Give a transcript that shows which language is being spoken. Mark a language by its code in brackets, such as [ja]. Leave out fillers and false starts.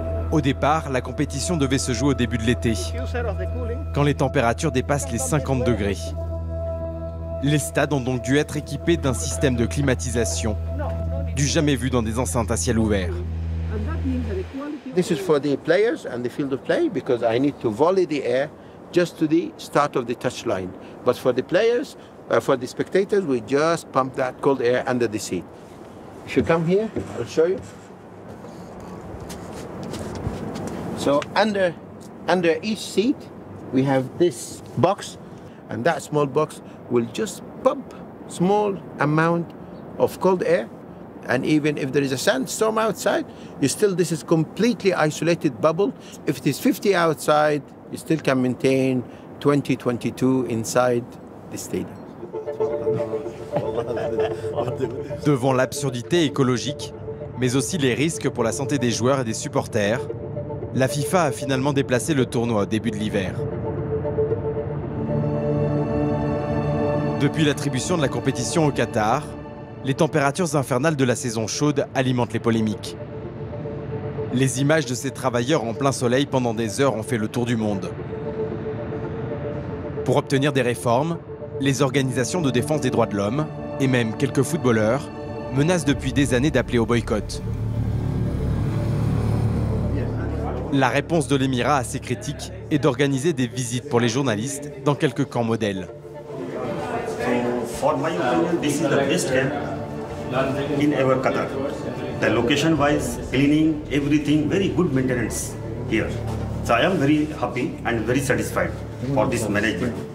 [fr] Au départ, la compétition devait se jouer au début de l'été, quand les températures dépassent les 50 degrés. Les stades ont donc dû être équipés d'un système de climatisation, du jamais vu dans des enceintes à ciel ouvert. [en] This is for the players and the field of play because I need to volley the air just to the start of the touchline. But for the players, for the spectators, we just pump that cold air under the seat. If you come here, I'll show you. So under each seat, we have this box, and that small box will just pump small amount of cold air, And even if there is a sandstorm outside, you still, this is completely isolated bubble. If it is 50 outside, you still can maintain 20, 22 inside the stadium. [fr] Devant l'absurdité écologique, mais aussi les risques pour la santé des joueurs et des supporters, la FIFA a finalement déplacé le tournoi au début de l'hiver. Depuis l'attribution de la compétition au Qatar, les températures infernales de la saison chaude alimentent les polémiques. Les images de ces travailleurs en plein soleil pendant des heures ont fait le tour du monde. Pour obtenir des réformes, les organisations de défense des droits de l'homme, et même quelques footballeurs, menacent depuis des années d'appeler au boycott. La réponse de l'émirat à ces critiques est d'organiser des visites pour les journalistes dans quelques camps modèles. [en] For my opinion, this is the best camp in ever Qatar. The location-wise, cleaning, everything, very good maintenance here. So I am very happy and very satisfied for this management.